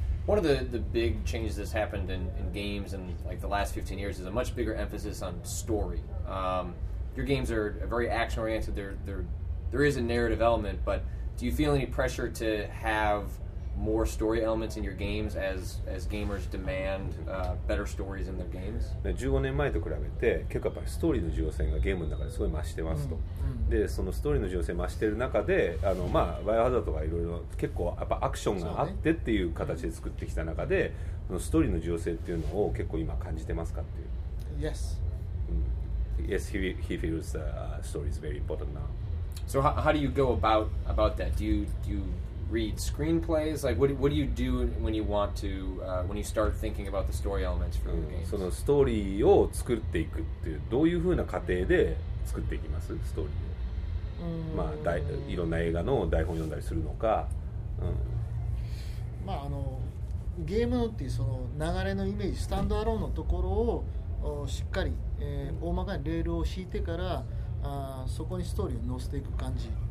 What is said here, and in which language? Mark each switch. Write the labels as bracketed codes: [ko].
[en] One of the big changes that's happened in games in like the last 15 years is a much bigger emphasis on story. Your games are very action oriented. There is a narrative element, but do you feel any pressure to have more story elements in your games as gamers demand better stories in their games? [ja] 15年前と比べて結構やっぱりストーリーの重要性がゲームの中ですごい増してますと。でそのストーリーの重要性増してる中で、あの、まあバイオハザードとかいろいろ結構やっぱアクションがあってっていう形で作ってきた中で、そのストーリーの重要性っていうのを結構今感じてますかっていう。 [en] Yes. Yes, he feels the story is very important now. So how do you go about that? Do you read screenplays? Like, what do you do when you want to, when you start thinking about the story elements for the game? [ja] そのストーリーを作っていくっていう、どういうふうな過程で作っていきます？ストーリーを。まあ、いろんな映画の台本読んだりするのか。まあ、ゲームのっていうその流れのイメージ、スタンドアローンのところをしっかり、大まかにレールを敷いてから、そこにストーリーを乗せていく感じ。